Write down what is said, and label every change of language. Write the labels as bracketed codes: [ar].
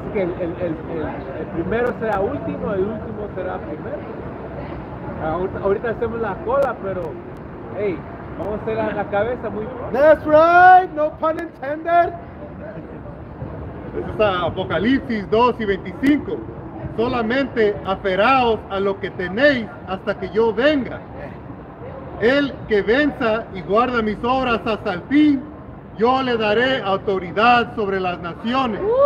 [es] Dice que el primero será último, el último será primero. Ahorita hacemos la cola, pero hey, vamos a hacer la cabeza muy pronto. [en] That's right, no pun intended. [es] Eso es Apocalipsis 2:25. Solamente aferraos a lo que tenéis hasta que yo venga. El que venza y guarda mis obras hasta el fin, yo le daré autoridad sobre las naciones.